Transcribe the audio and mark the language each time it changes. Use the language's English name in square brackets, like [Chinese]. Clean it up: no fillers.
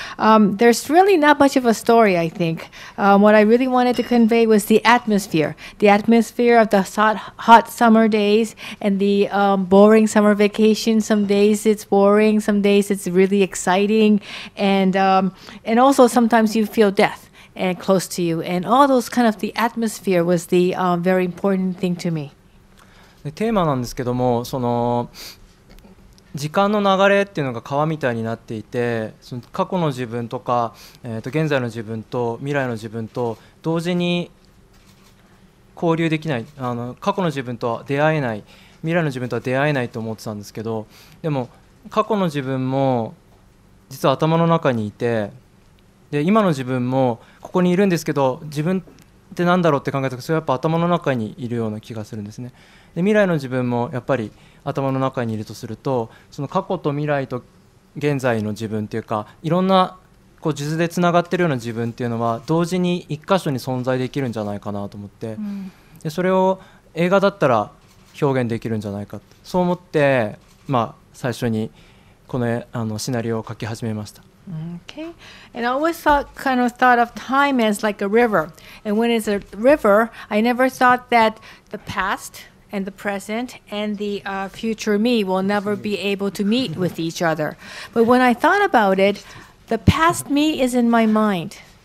[English] There's really not much of a story, I think. What I really wanted to convey was the atmosphere of the hot summer days and the boring summer vacation. Some days it's boring, some days it's really exciting, and also sometimes you feel death. And close to you, and all those kind of the atmosphere was the very important thing to me. The theme [Japanese] なんですけども、その時間の流れっていうのが川みたいになっていて、その過去の自分とか、現在の自分と未来の自分と同時に交流できない、過去の自分とは出会えない、未来の自分とは出会えないと思ってたんですけど、でも過去の自分も実は頭の中にいて、で今の自分もここにいるんですけど、自分ってなんだろうって考えたら、それはやっぱ頭の中にいるような気がするんですね。で未来の自分もやっぱり頭の中にいるとすると、その過去と未来と現在の自分っていうか、いろんなこう地図でつながってるような自分っていうのは同時に一箇所に存在できるんじゃないかなと思って、うん、でそれを映画だったら表現できるんじゃないかと、そう思って、まあ、最初にこの、あのシナリオを書き始めました。 [English] Okay. And I always thought, kind of thought of time as like a river. And when it's a river, I never thought that the past and the present and the future me will never be able to meet with each other. But when I thought about it, the past me is in my mind.